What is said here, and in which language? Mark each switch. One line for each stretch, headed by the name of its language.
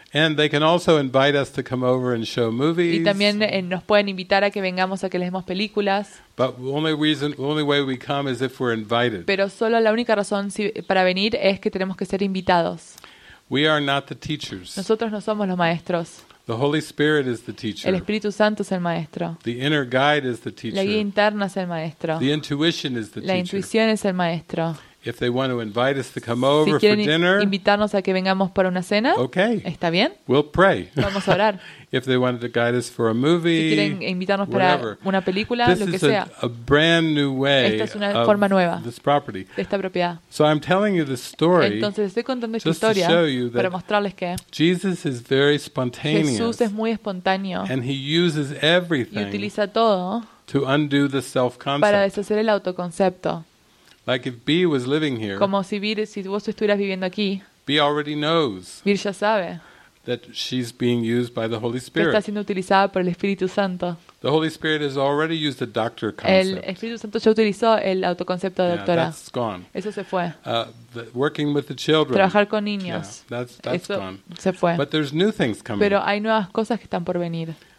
English: And they can also invite us to come over and show movies.
Spanish: Y también nos pueden invitar a que vengamos a que les demos películas.
English: But the only way we come is if we're invited.
Spanish: Pero solo la única razón para venir es que tenemos que ser invitados.
English: We are not the teachers.
Spanish: Nosotros no somos los maestros.
English: The Holy Spirit is the teacher.
Spanish: El Espíritu Santo es el maestro.
English: The inner guide is the teacher.
Spanish: La guía interna es el maestro.
English: The intuition is the teacher.
Spanish: La intuición es el maestro.
English: If they want to invite us to come over for dinner,
Spanish: si quieren invitarnos a que vengamos para una cena,
English: okay,
Spanish: está bien.
English: We'll pray.
Spanish: Vamos a orar.
English: If they wanted to guide us for a movie,
Spanish: si quieren invitarnos para una película,
English: this
Spanish: lo que
English: is
Spanish: sea.
English: A brand new way.
Spanish: Esta es una forma nueva.
English: This property.
Spanish: De esta propiedad.
English: So I'm telling you the story.
Spanish: Entonces estoy contando esta
English: just
Spanish: historia
English: to show you that
Spanish: para mostrarles que
English: Jesus is very spontaneous.
Spanish: Jesús es muy espontáneo.
English: And he uses everything.
Spanish: Y utiliza todo
English: to undo the self-concept.
Spanish: Para deshacer el autoconcepto.
English: Like if B was living here.
Spanish: Como si vos estuvieras viviendo aquí.
English: B already knows.
Spanish: Bir ya sabe.
English: That she's being used by the Holy Spirit.
Spanish: Que está siendo utilizada por el Espíritu Santo.
English: The Holy Spirit has already used the doctor concept.
Spanish: El Espíritu Santo ya utilizó el autoconcepto de doctora.
English: Yeah, that's gone.
Spanish: Eso se fue.
English: Working with the children.
Spanish: Trabajar con niños.
English: Yeah, that's
Spanish: eso
English: gone.
Spanish: Se fue.
English: But there's new things coming.
Spanish: Pero hay nuevas cosas que están por venir.